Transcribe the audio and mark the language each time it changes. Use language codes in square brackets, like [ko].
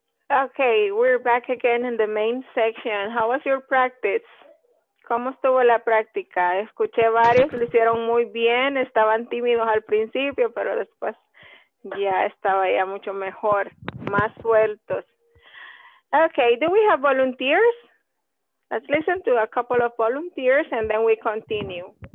[en] Okay, we're back again in the main section. How was your practice? [es] ¿Cómo estuvo la práctica? Escuché varios, lo hicieron muy bien, estaban tímidos al principio, pero después ya estaba ya mucho mejor, más sueltos. [en] Okay, do we have volunteers? Let's listen to a couple of volunteers and then we continue.